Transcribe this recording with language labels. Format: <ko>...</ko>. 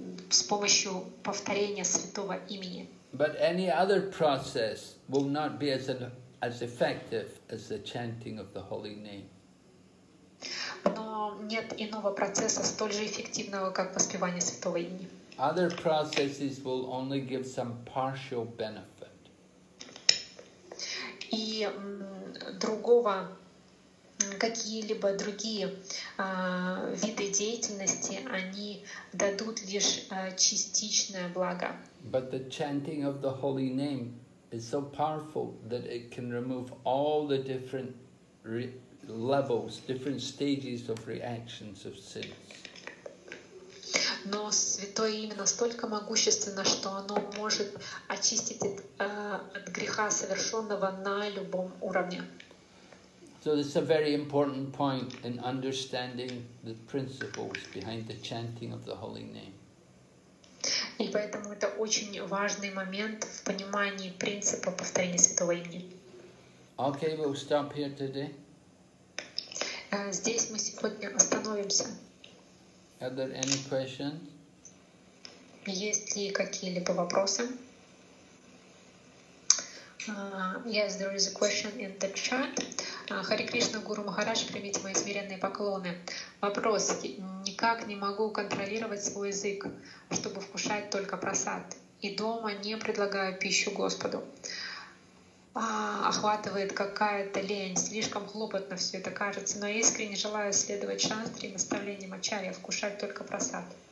<ru>с помощью повторения святого имени.</ru> <en>But any other process will not be as effective as the chanting of the holy name.</en> <ru>Но нет иного процесса столь же эффективного, как воспевание святого имени.</ru> <en>Other processes will only give some partial benefit.</en> <ru>И другого какие-либо другие виды деятельности, они дадут лишь частичное благо.</ru> <en>But the chanting of the holy name is so powerful that it can remove all the different levels, different stages of reactions of sins.</en> <ru>Но святое имя настолько могущественно, что оно может очистить от греха совершенного на любом уровне.</ru> <en>So this is a very important point in understanding the principles behind the chanting of the holy name.</en> <ru>И поэтому это очень важный момент в понимании принципа повторения святого имени.</ru> <en>Okay, we'll stop here today.</en> <ru>Здесь мы сегодня остановимся.</ru> <en>Are there any questions?</en> <ru>Есть ли какие-либо вопросы?</ru> <en>Yes, there is a question in the chat.</en> <ru>Харе Кришна, Гуру Махарадж, примите мои смиренные поклоны. Вопрос. Никак не могу контролировать свой язык, чтобы вкушать только просад. И дома не предлагаю пищу Господу. Охватывает какая-то лень. Слишком хлопотно все это кажется. Но искренне желаю следовать шастре и наставлениям ачарья, вкушать только просад.</ru>